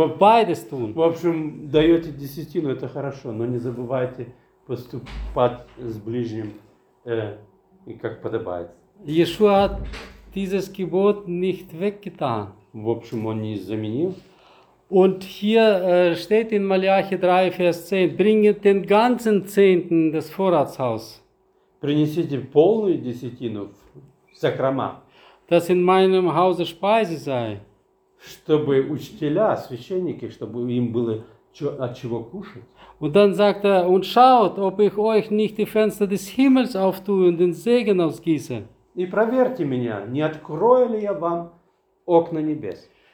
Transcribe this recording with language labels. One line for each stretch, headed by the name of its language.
German: Beides tun.
Russian: В общем, даете десятину, это хорошо, но не забывайте поступать с ближним, как подобается.
German: Yeshua hat dieses Gebot nicht weggetan.
Russian: В общем, он не заменил.
German: Und hier steht in Malachi 3, Vers 10, bringet den ganzen Zehnten des Vorratshaus.
Russian: Принесите полную десятину в закрома.
German: Dass in meinem Hause Speise sei.
Russian: Чтобы учителя, священники, чтобы им было от чего кушать.
German: Und dann sagt er, und schaut, ob ich euch nicht die Fenster des Himmels auftue und den Segen ausgieße.
Russian: И проверьте меня, не открою ли я вам окна небес.